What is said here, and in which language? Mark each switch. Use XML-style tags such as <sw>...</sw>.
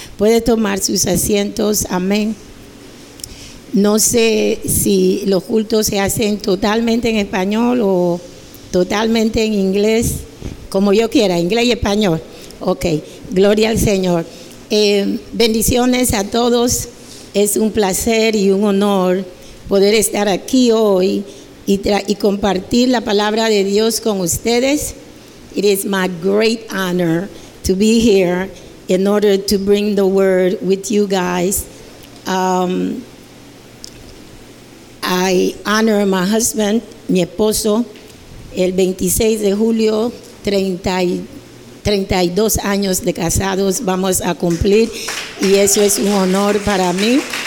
<es>Puede tomar sus asientos, amén. No sé si los cultos se hacen totalmente en español o totalmente en inglés, como yo quiera, inglés y español. Ok, gloria al Señor. Bendiciones a todos. Es un placer y un honor poder estar aquí hoy y compartir la palabra de Dios con ustedes.</es> <en>It is my great honor to be here in order to bring the word with you guys. I honor my husband,</en> <es>mi esposo, el 26 de julio, 32 años de casados vamos a cumplir, y eso es un honor para mí.</es>